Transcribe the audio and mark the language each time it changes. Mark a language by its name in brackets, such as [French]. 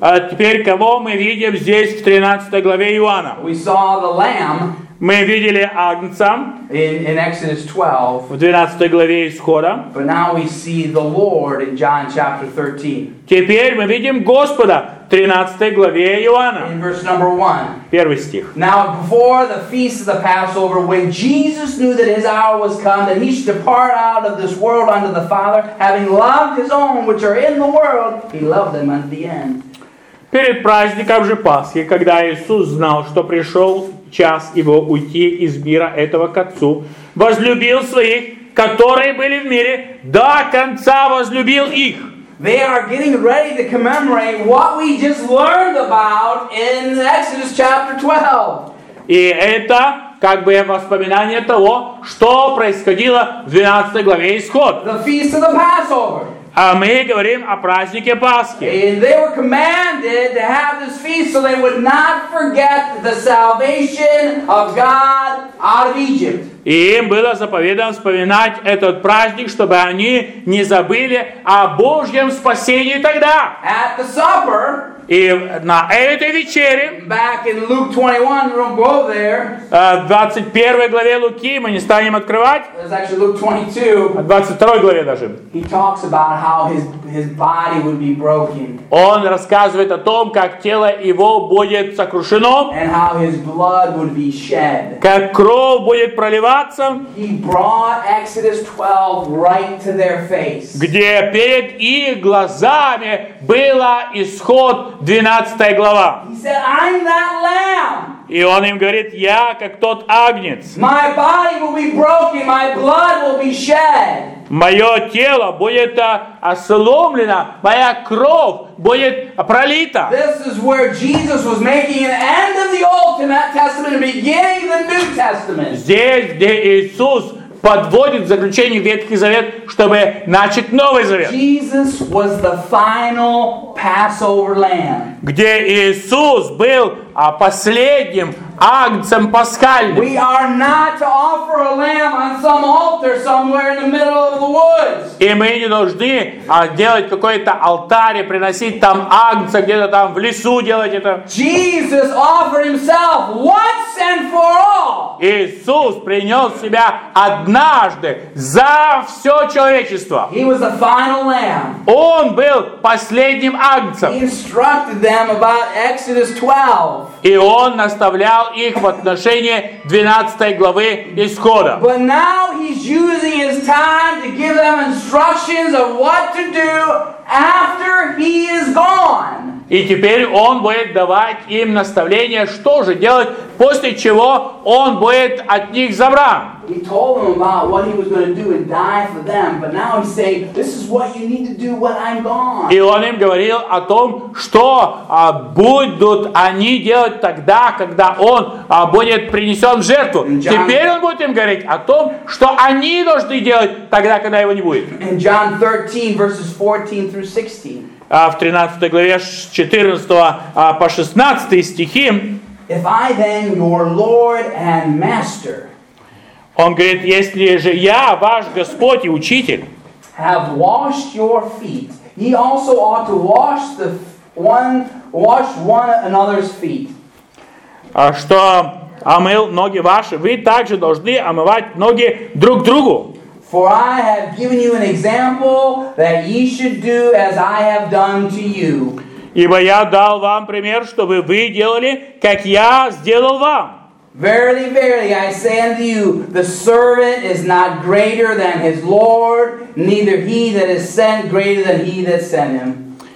[Russian] теперь, кого мы видим здесь в 13 главе Иоанна? [English] We saw the lamb. [Russian] Мы видели Агнца [English] in Exodus 12, [Russian] в 12 главе Исхода. [English] But now we see the Lord in John chapter 13. [Russian] Теперь мы видим Господа в 13 главе Иоанна. [English] In verse number 1. [Russian] Первый стих. [English] Now before the feast of the Passover, when Jesus knew that his hour was come, that he should depart out of this world unto the Father, having loved his own which are in the world, he loved them unto the end. [Russian] Перед праздником же Пасхи, когда Иисус знал, что пришел час его уйти из мира этого к Отцу, возлюбил своих, которые были в мире, до конца возлюбил их. [English] They are getting ready to commemorate what we just learned about in Exodus chapter 12. [Russian] И это как бы воспоминание того, что происходило в 12 главе Исход. [English] The feast of the Passover. [Russian] А мы говорим о празднике Пасхи. [English] And they were commanded to have this feast so they would not forget the salvation of God out of Egypt. [Russian] И им было заповедано вспоминать этот праздник, чтобы они не забыли о Божьем спасении тогда. [English] At the supper. [Russian] И на этой вечере. [English] Back in Luke 21, we don't go there. [Russian] В 21 главе Луки мы не станем открывать. [English] It's actually Luke 22. [Russian] В 22 главе даже. [English] He talks about how his body would be broken. [Russian] Он рассказывает о том, как тело его будет сокрушено. [English] And how his blood would be shed. [Russian] Как кровь будет проливаться. [English] He brought Exodus 12 right to their face. [Russian] Где перед их глазами было исход 12 глава. [English] He said, I'm that lamb. [Russian] И он им говорит, я как тот агнец. [English] My body will be broken, my blood will be shed. [Russian] Мое тело будет сломлено, моя кровь будет пролита. [English] This is where Jesus was making an end of the Old Testament and beginning the New Testament. [Russian] Здесь, где Иисус подводит заключение Ветхий Завет, чтобы начать Новый Завет. [English] Jesus was the final Passover lamb. [Russian] Где Иисус был последним агнцем пасхальным. [English] We are not to offer a lamb on some altar somewhere in the middle of the woods. [Russian] И мы не должны делать какой-то алтарь и приносить там агнца где-то там в лесу делать это. [English] Jesus offered himself once and for all. [Russian] Иисус принес себя однажды за все человечество. [English] He was the final lamb. [Russian] Он был последним агнцем. [English] He instructed them about Exodus 12. [Russian] И он наставлял их в отношении 12 главы Исхода. [English] But now he's using his time to give them instructions of what to do after he is gone. [Russian] И теперь он будет давать им наставления, что же делать, после чего он будет от них забран. [English] He told them about what he was going to do and die for them, but now he's saying, this is what you need to do when I'm gone. [Russian] И он им говорил о том, что будут они делать тогда, когда он будет принесен в жертву. Теперь он будет им говорить о том, что они должны делать тогда, когда его не будет. [English] In John 13, verses 14 through 16. [Russian] В 13 главе, с 14 по 16 стихи, [English] If I then your Lord and Master, [Russian] он говорит, если же я, ваш Господь и Учитель, [English] have washed your feet, ye also ought to wash the one, wash one another's feet. [Russian] Что омыл ноги ваши, вы также должны омывать ноги друг другу. [English] For I have given you an example that ye should do as I have done to you. [Russian] Ибо я дал вам пример, чтобы вы делали, как я сделал вам. [English] Verily, verily, I say unto you, the servant is not greater than his Lord, neither he that is sent greater than he that sent him.